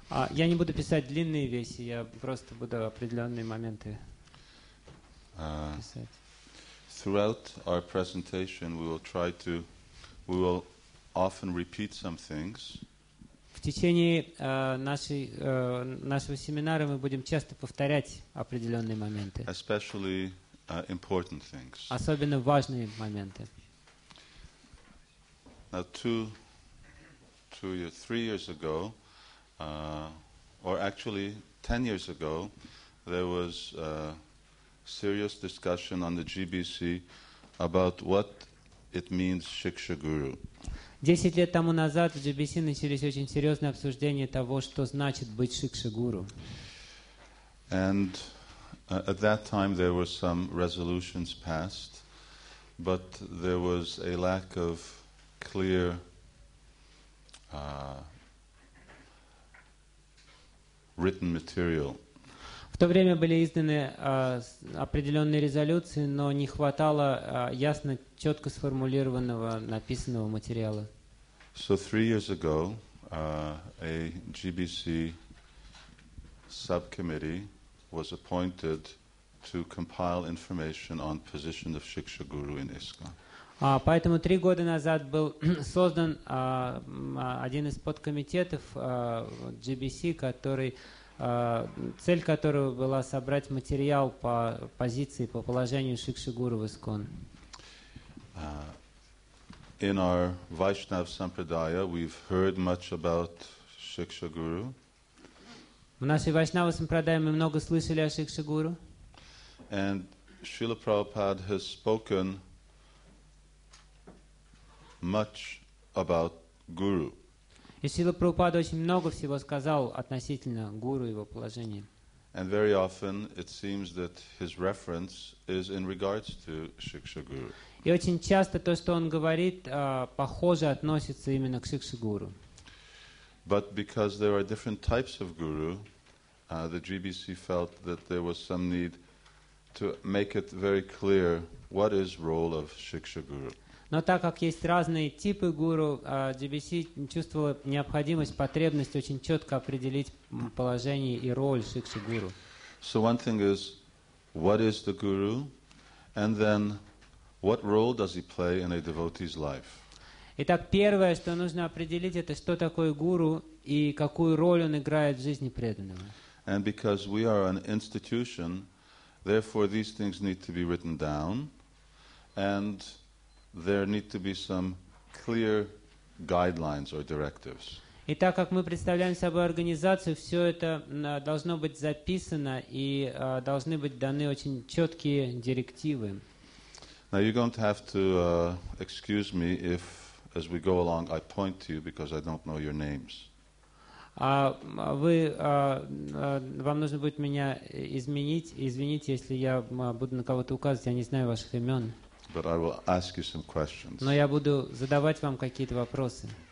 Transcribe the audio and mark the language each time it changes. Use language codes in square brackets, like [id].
[ru] Я не буду писать длинные вещи. Я просто буду определенные моменты писать. [en] Throughout our presentation, we will often repeat some things. [ru] В течение нашего семинара мы будем часто повторять определенные моменты. [en] Especially important things. [ru] Особенно важные моменты. [en] Now, three years ago, or actually 10 years ago, there was a serious discussion on the GBC about what it means Shiksha Guru. [ru] 10 лет тому назад в GBC начались очень серьезные обсуждения того, что значит быть Шикша Гуру. [en] And at that time there were some resolutions passed, but there was a lack of clear written material. [ru] В то время были изданы определенные резолюции, но не хватало ясно, четко сформулированного, написанного материала. [en] So 3 years ago, a GBC subcommittee was appointed to compile information on position of Shiksha Guru in ISKCON. [ru] Поэтому 3 года назад был создан один из подкомитетов GBC, который, цель которого была собрать материал по позиции, по положению Шикши Гуру в ИСКОН. [en] In our Vaishnava Sampradaya, we've heard much about Shiksha Guru. [ru] В нашей Вайшнава Сампрадайе мы много слышали о Шикши Гуру. [en] And Srila Prabhupada has spoken much about Guru. [ru] И Шрила Прабхупада очень много всего сказал относительно Гуру и его положения. [en] And very often it seems that his reference is in regards to Shiksha Guru. [ru] И очень часто то, что он говорит, похоже, относится именно к Шикши Гуру. [en] But because there are different types of Guru, the GBC felt that there was some need to make it very clear what is role of Shiksha Guru. [ru] Но так как есть разные типы гуру, GBC чувствовала необходимость, потребность очень четко определить положение и роль Шикши Гуру. [en] So one thing is, what is the guru, and then what role does he play in a devotee's life? [ru] Итак, первое, что нужно определить, это что такое гуру и какую роль он играет в жизни преданного. [en] And because we are an institution, therefore these things need to be written down, and there need to be some clear guidelines or directives. [ru] И так как мы представляем собой организацию, все это должно быть записано и должны быть даны очень четкие директивы. [en] Now you're going to have to excuse me if, as we go along, I point to you because I don't know your names. [ru] Вам нужно будет меня извинить, если я буду на кого-то указывать, я не знаю ваших имен. [en] But I will ask you some questions. [ru] Но я буду задавать вам какие-то вопросы.